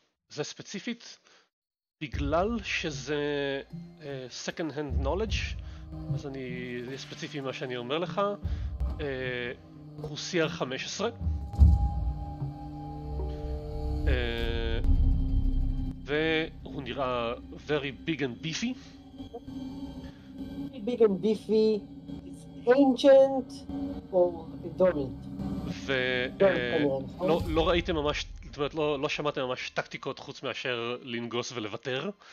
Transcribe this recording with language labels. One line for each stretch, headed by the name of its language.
Hebrew: זה ספציפית? בגלל שזה
English: second hand knowledge,
Hebrew: אז אני אהיה ספציפי מה שאני אומר לך, הוא CR 15, והוא נראה
English: very big and beefy. Big and beefy is ancient or dominant.
Hebrew: ולא ראיתם ממש... זאת אומרת, לא שמעתם ממש טקטיקות חוץ מאשר לנגוס ולוותר.